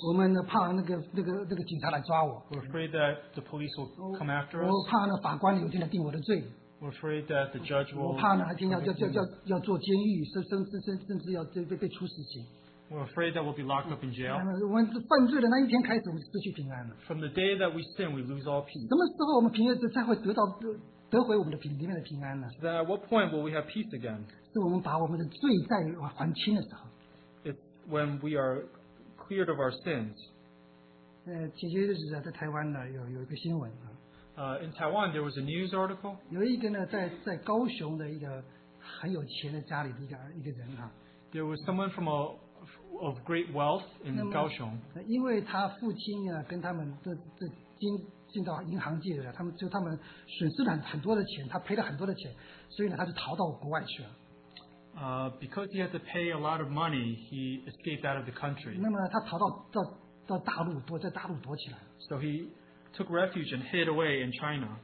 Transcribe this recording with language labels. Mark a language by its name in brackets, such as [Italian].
[Chinese] 我们怕那个警察来抓我。We're [English] afraid that the police will come after us. [Chinese] 我怕呢，法官有一天来定我的罪。We're [English] afraid that the judge will. [Chinese] 我怕呢，那天要坐监狱，甚至要被处死刑。 [English] We're afraid that we'll be locked up in jail. [Chinese] 我们犯罪的那一天开始，我们失去平安了。 [English] From the day that we sin, we lose all peace. [Chinese] 什么时候我们平安才会得回我们的里面的平安呢？ [English] So then at what point will we have peace again? [Chinese] 是我们把我们的罪债还清的时候。 [English] It's when we are cleared of our sins. [Chinese] 前些日子在台湾呢，有一个新闻。 [English] In Taiwan, there was a news article. [Chinese] 有一个呢，在高雄的一个很有钱的家里的一个人啊。 [English] There was someone from a of great wealth in Kaohsiung. [Chinese] 因为他父亲跟他们进到银行界，他们损失了很多的钱，他赔了很多的钱，所以他就逃到国外去了。Because [English] he had to pay a lot of money, he escaped out of the country. [Chinese] 那么他逃到大陆，躲在大陆躲起来。 [English] So he took refuge and hid away in China.